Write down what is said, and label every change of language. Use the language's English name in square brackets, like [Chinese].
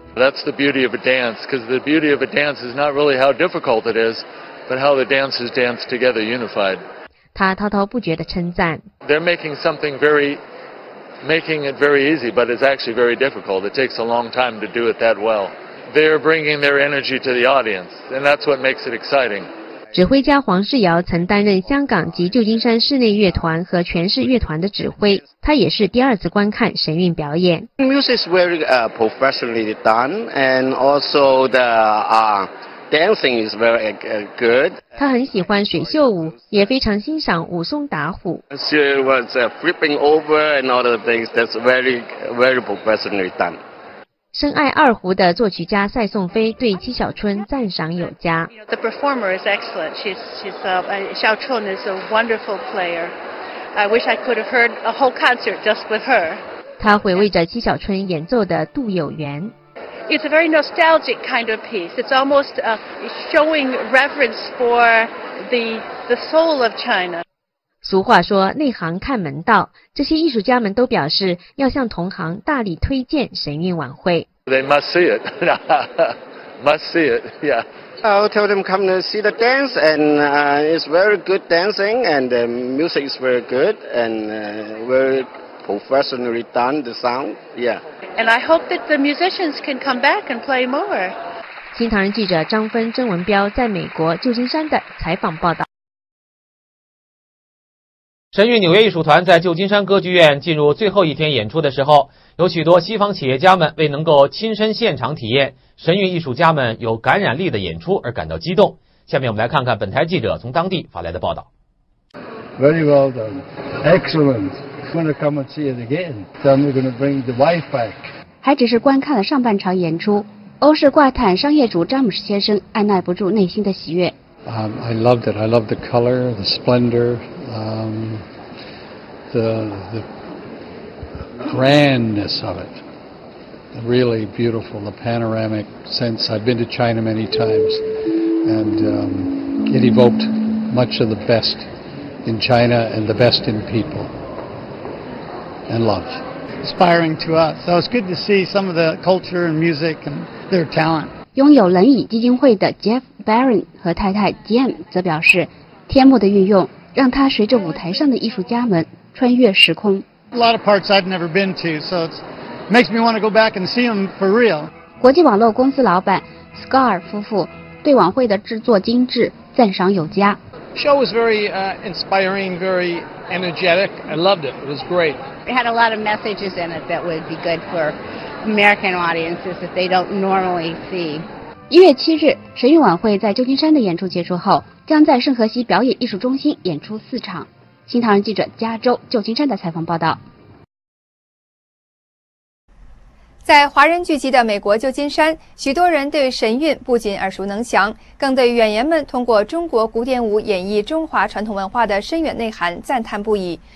[English] That's the beauty of a dance, because the beauty of a dance is not really how difficult it is, but how the dancers dance together, unified. [Chinese] 他滔滔不绝地称赞。 [English] They're making it very easy, but it's actually very difficult. It takes a long time to do it that well. They're bringing their energy to the audience, and that's what makes it exciting. [Chinese] 指挥家黄世尧曾担任香港及旧金山室内乐团和全市乐团的指挥，他也是第二次观看神韵表演。 [English] Music is very professionally done, and also the dancing is very good. [Chinese] 他很喜欢水袖舞，也非常欣赏武松打虎。 [English] She was flipping over and all the things. That's very, very professionally done. [Chinese] 深爱二胡的作曲家赛颂飞对戚小春赞赏有加。 [English] The performer is excellent. Xiao Chun is a wonderful player. I wish I could have heard a whole concert just with her. [Chinese] 他回味着戚小春演奏的《杜有缘》。 [English] It's a very nostalgic kind of piece. It's almost showing reverence for the soul of China. [Chinese] 俗话说，内行看门道。这些艺术家们都表示要向同行大力推荐神韵晚会。 [English] They must see it. Must see it. Yeah. I'll tell them come to see the dance, and it's very good dancing, and the music is very good, and very professionally done, the sound, yeah. And I hope that the musicians can come back and play more. [Chinese] 新唐人记者张芬、曾文彪在美国旧金山的采访报道。神韵纽约艺术团在旧金山歌剧院进入最后一天演出的时候，有许多西方企业家们为能够亲身现场体验神韵艺术家们有感染力的演出而感到激动，下面我们来看看本台记者从当地发来的报道。 [English] Very well done. Excellent. I'm going to come and see it again. Then we're going to bring the wife back. [Chinese] 还只是观看了上半场演出，欧式挂毯商业主詹姆斯先生按捺不住内心的喜悦。 [English] I loved it. I loved the color, the splendor, the grandness of it. Really beautiful, the panoramic sense. I've been to China many times, and it evoked much of the best in China and the best in people and love. Inspiring to us. So it's good to see some of the culture and music and their talent. [Chinese] 拥有轮椅基金会的 Jeff Barron 和太太 Jane 则表示，天幕的运用让他随着舞台上的艺术家们穿越时空。 [English] A lot of parts I've never been to, so it's makes me want to go back and see them for real. [Chinese] 国际网络公司老板 Scar 夫妇对晚会的制作精致赞赏有加。 [English] Show was very inspiring, very energetic. I loved it. It was great. It had a lot of messages in it that would be good for American audiences that they don't normally see. [Chinese] 1月7日，神韵晚会在旧金山的演出结束后，将在圣荷西表演艺术中心演出四场。新唐人记者加州旧金山的采访报道。在华人聚集的美国旧金山，许多人对神韵不仅耳熟能详，更对演员们通过中国古典舞演绎中华传统文化的深远内涵赞叹不已。